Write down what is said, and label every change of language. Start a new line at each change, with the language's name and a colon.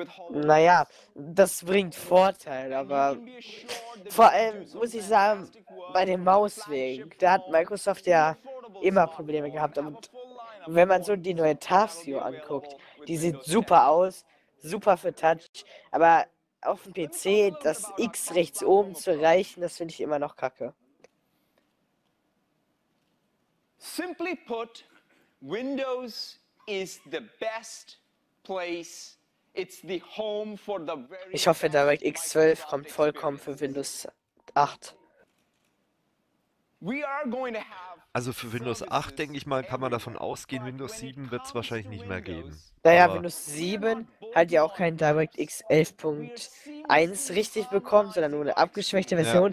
German: Naja, das bringt Vorteile, aber vor allem muss ich sagen, bei dem Mauswink, da hat Microsoft ja immer Probleme gehabt. Und wenn man so die neue TaskView anguckt, die sieht super aus, super für Touch, aber auf dem PC das X rechts oben zu erreichen, das finde ich immer noch kacke.
English: Simply put, Windows is the best place. It's the home for the very.
German: Ich hoffe, DirectX 12 kommt vollkommen für Windows 8.
English: We are going to have.
German: Also für Windows 8, denke ich mal, kann man davon ausgehen, Windows 7 wird es wahrscheinlich nicht mehr geben. Naja, aber Windows 7 hat ja auch keinen DirectX 11.1 richtig bekommen, sondern nur eine abgeschwächte Version.